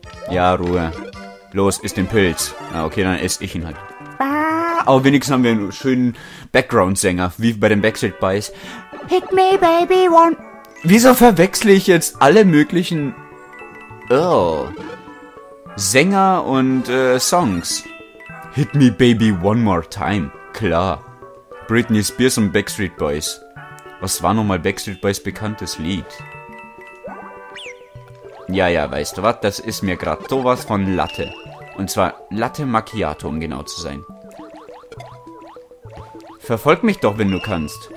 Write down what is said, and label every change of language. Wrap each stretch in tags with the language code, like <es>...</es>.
<de>Ja, Ruhe. Los, iss den Pilz. Ah, okay, dann esse ich ihn halt. Aber wenigstens haben wir einen schönen Background-Sänger, wie bei den Backstreet Boys.</de> <en>Hit me, baby, one.</en> <de>Wieso verwechsle ich jetzt alle möglichen... Sänger und Songs?</de> <en>Hit me, baby, one more time.</en> <de>Klar. Britney Spears und Backstreet Boys. Was war nochmal Backstreet Boys bekanntes Lied? Ja, ja, weißt du was? Das ist mir gerade sowas von Latte. Und zwar Latte Macchiato, um genau zu sein. Verfolg mich doch, wenn du kannst.</de>